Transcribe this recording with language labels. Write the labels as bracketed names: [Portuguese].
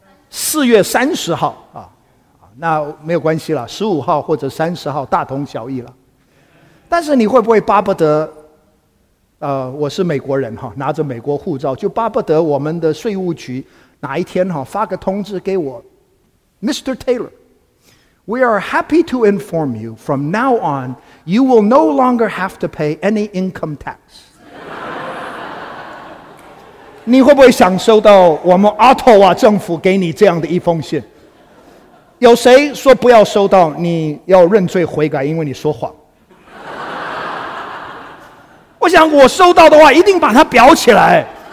[Chinese] 4月30号啊，那没有关系了，15号或者30号大同小异了。但是你会不会巴不得，我是美国人哈，拿着美国护照，就巴不得我们的税务局哪一天哈发个通知给我 ，Mr. [English] Taylor。 We are happy to inform you, from now on, you will no longer have to pay any income tax. [Chinese] 你会不会想收到我们渥太华政府给你这样的一封信？有谁说不要收到？你要认罪悔改，因为你说谎。我想我收到的话，一定把它裱起来。